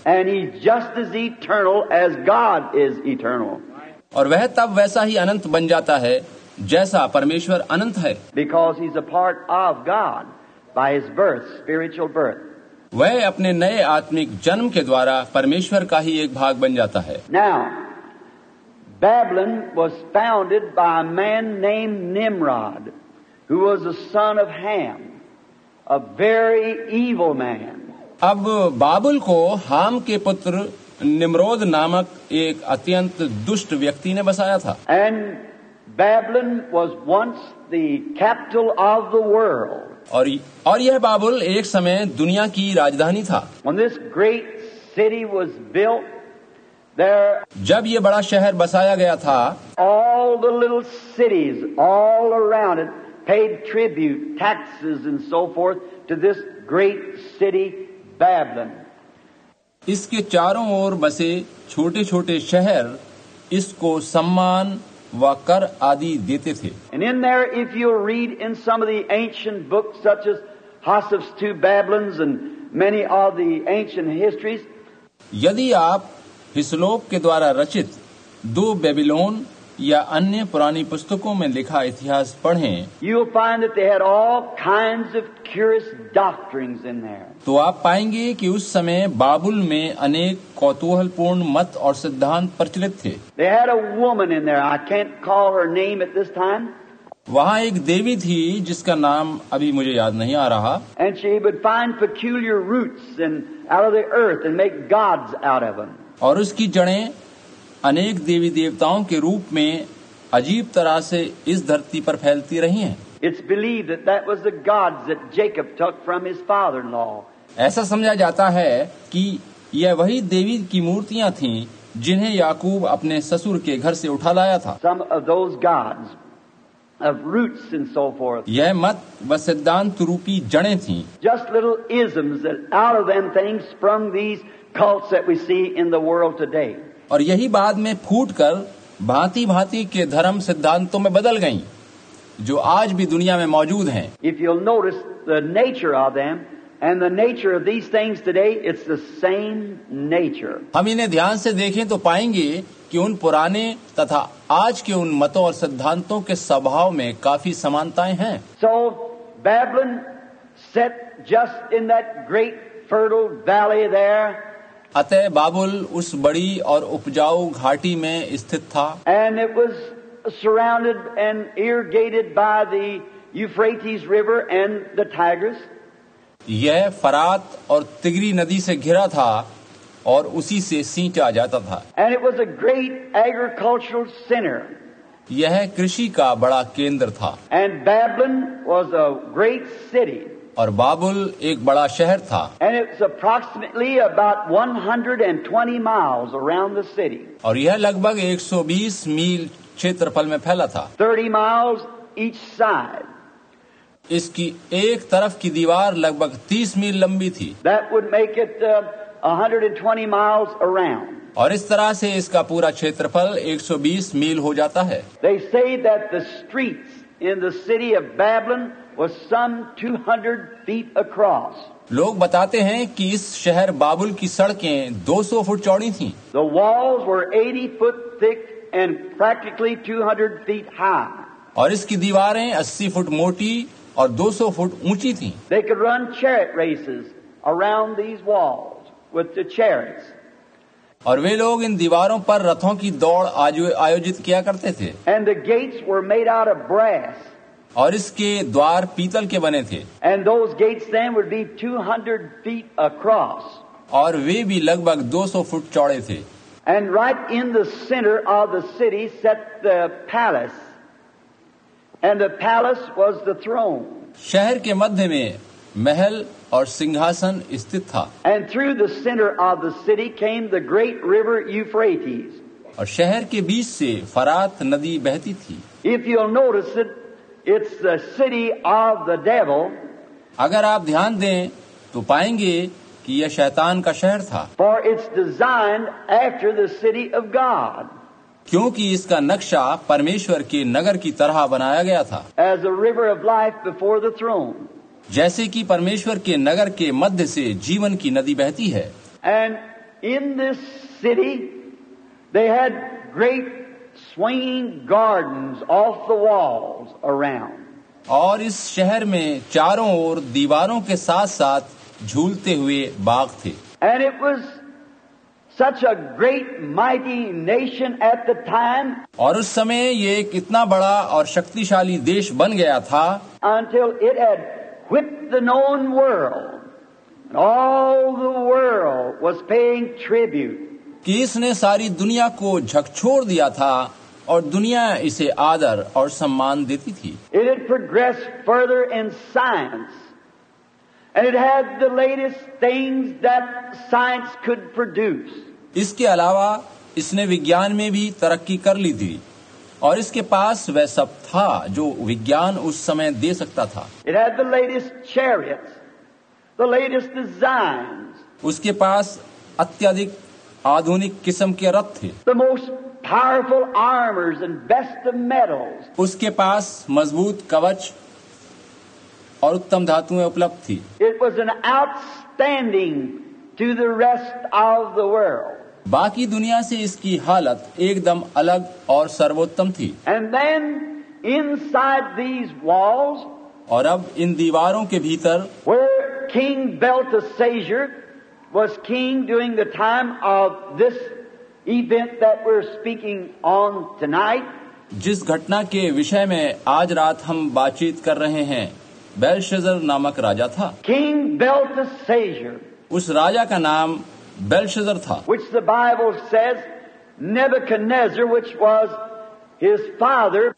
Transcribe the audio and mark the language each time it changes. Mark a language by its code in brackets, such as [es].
[en] and he just is eternal as God is eternal [hi] और वह तब वैसा ही अनंत बन जाता है जैसा परमेश्वर अनंत है. [en] because he is a part of God by his birth spiritual birth [hi] वह अपने नए आत्मिक जन्म के द्वारा परमेश्वर का ही एक भाग बन जाता है. [en] Now Babylon was founded by a man named Nimrod Who was the son of Ham, a very evil man. [hi] अब बाबुल को हाम के पुत्र निमरोद नामक एक अत्यंत दुष्ट व्यक्ति ने बसाया था. [en] And Babylon was once the capital of the world. [hi] और यह बाबुल एक समय दुनिया की राजधानी था. [en] When this great city was built, there. [hi] जब ये बड़ा शहर बसाया गया था. [en] All the little cities all around it. Paid tribute, taxes, and so forth to this great city, Babylon. [hi] इसके चारों ओर बसे छोटे-छोटे शहर इसको सम्मान व कर आदि देते थे. [en] And in there, if you read in some of the ancient books, such as Hoseph's Two Babylons and many of the ancient histories, [hi] यदि आप हिसलोप के द्वारा रचित दो बेबीलोन या अन्य पुरानी पुस्तकों में लिखा इतिहास पढ़ें, [en] You will find that they had all kinds of curious doctrines in there. [hi] तो आप पाएंगे कि उस समय बाबुल में अनेक कौतूहलपूर्ण मत और सिद्धांत प्रचलित थे. [en] They had a woman in there. I can't call her name at this time. [hi] वहाँ एक देवी थी जिसका नाम अभी मुझे याद नहीं आ रहा. [en] And she would find peculiar roots and out of the earth and make gods out of them. [hi] और उसकी जड़ें अनेक देवी देवताओं के रूप में अजीब तरह से इस धरती पर फैलती रही हैं। [en] It's believed that that was the gods that Jacob took from his father-in-law. [hi] ऐसा समझा जाता है कि यह वही देवी की मूर्तियां थीं जिन्हें याकूब अपने ससुर के घर से उठा लाया था। [en] Some of those gods of roots and so forth. [hi] यह मत व सिद्धांत रूपी जड़ें थीं। [en] Just little isms that out of them things sprung these cults that we see in the world today. [hi] और यही बाद में फूटकर भांति भांति के धर्म सिद्धांतों में बदल गईं, जो आज भी दुनिया में मौजूद हैं। [en] If you'll notice the nature of them. And the nature of these things today, it's the same nature. [hi] हम इन्हें ध्यान से देखें तो पाएंगे कि उन पुराने तथा आज के उन मतों और सिद्धांतों के स्वभाव में काफी समानताएं हैं। [en] So Babylon set just in that great fertile valley there. [hi] अतः बाबुल उस बड़ी और उपजाऊ घाटी में स्थित था। [en] And it was surrounded and irrigated by the Euphrates River and the Tigris. [hi] यह फरात और तिगरी नदी से घिरा था और उसी से सींचा जाता था। [en] And it was a great agricultural center. [hi] यह कृषि का बड़ा केंद्र था। [en] And Babylon was a great city. [hi] और बाबुल एक बड़ा शहर था। [en] And it's approximately about 120 miles around the city. [hi] और यह लगभग 120 मील क्षेत्रफल में फैला था। [en] 30 miles each side. [hi] इसकी एक तरफ की दीवार लगभग 30 मील लंबी थी। [en] That would make it 120 miles around. [hi] और इस तरह से इसका पूरा क्षेत्रफल 120 मील हो जाता है। [en] They say that the streets in the city of Babylon was some 200 feet across. [hi] लोग बताते हैं कि इस शहर बाबुल की सड़कें 200 फुट चौड़ी थीं। [en] The walls were 80 foot thick and practically 200 feet high. [hi] और इसकी दीवारें 80 फुट मोटी और 200 फुट ऊंची थी। [en] They could run chariot races around these walls with the chariots. [hi] और वे लोग इन दीवारों पर रथों की दौड़ आयोजित किया करते थे। [en] And the gates were made out of brass. [hi] और इसके द्वार पीतल के बने थे। [en] And those gates then would be 200 feet across. [hi] और वे भी लगभग 200 फुट चौड़े थे। [en] And right in the center of the city sat the palace. And the palace was the throne. [hi] शहर के मध्य में महल और सिंहासन स्थित था। [en] And through the center of the city came the great river Euphrates. [hi] और शहर के बीच से फरात नदी बहती थी। [en] If you'll notice it, it's the city of the devil. [hi] अगर आप ध्यान दें तो पाएंगे कि यह शैतान का शहर था। [en] For it's designed after the city of God. [hi] क्योंकि इसका नक्शा परमेश्वर के नगर की तरह बनाया गया था। [en] As a river of life before the throne. [hi] जैसे कि परमेश्वर के नगर के मध्य से जीवन की नदी बहती है। [en] And in this city, they had great swinging gardens off the walls around. [hi] और इस शहर में चारों ओर दीवारों के साथ साथ झूलते हुए बाग थे। [en] And it was Such a great mighty nation at the time. [hi] और उस समय ये एक इतना बड़ा और शक्तिशाली देश बन गया था। [en] Until it had whipped the known world. And all the world was paying tribute. [hi] कि इसने सारी दुनिया को झकझोर दिया था और दुनिया इसे आदर और सम्मान देती थी। [en] It had progressed further in science. And it had the latest things that science could produce. [hi] इसके अलावा इसने विज्ञान में भी तरक्की कर ली थी और इसके पास वह सब था जो विज्ञान उस समय दे सकता था। [en] It had the latest chariots, the latest designs. [hi] उसके पास अत्यधिक आधुनिक किस्म के रथ थे। [en] The most powerful armors and best of metals. [hi] उसके पास मजबूत कवच और उत्तम धातुएं उपलब्ध थी। [en] It was an outstanding to the rest of the world. [hi] बाकी दुनिया से इसकी हालत एकदम अलग और सर्वोत्तम थी। [en] And then inside these walls, [hi] और अब इन दीवारों के भीतर, [en] where King Belteshazzar was king during the time of this event that we're speaking on tonight, [hi] जिस घटना के विषय में आज रात हम बातचीत कर रहे हैं, बेलशज़र नामक राजा था। [en] King Belteshazzar [hi] उस राजा का नाम बेलशजर था. [en] Which the Bible says Nebuchadnezzar, which was his father,